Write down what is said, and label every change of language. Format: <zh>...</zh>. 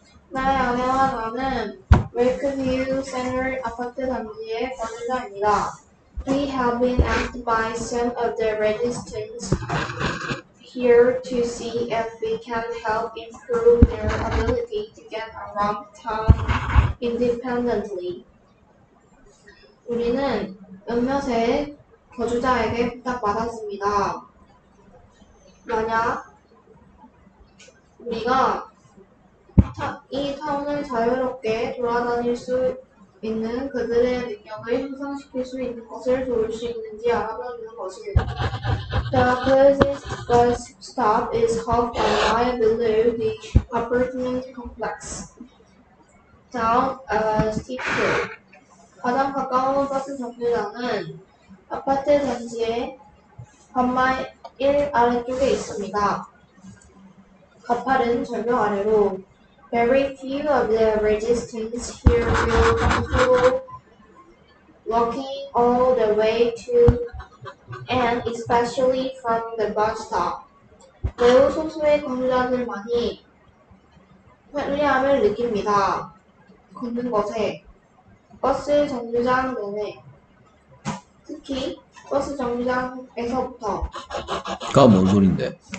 <ko>나의 아내와 나는 Lakeview Center 아파트 단지의 관리자입니다.</ko> <en>We have been asked by some of the residents here to see if we can help improve their ability to get around town independently.</en> <ko>우리는 몇몇의 거주자에게 부탁받았습니다. 만약 우리가 이 타운을 자유롭게 돌아다닐 수 있는 그들의 능력을 향상시킬 수 있는 것을 도울 수 있는지 알아보는 것을.</ko> <en>The closest bus stop is half a mile below the apartment complex, down a steep hill.</en> <ko>가장 가까운 버스 정류장은 아파트 단지의 반마일 아래쪽에 있습니다. 가파른 절벽 아래로</ko> <en>Very few of the residents here feel comfortable walking all the way to, and especially from the bus stop.</en> <ko>매우 소수의 거주자들만이 편리함을 느낍니다. 걷는 것에, 버스 정류장 내내, 특히 버스 정류장에서부터. 그니까 뭔 소린데?</ko>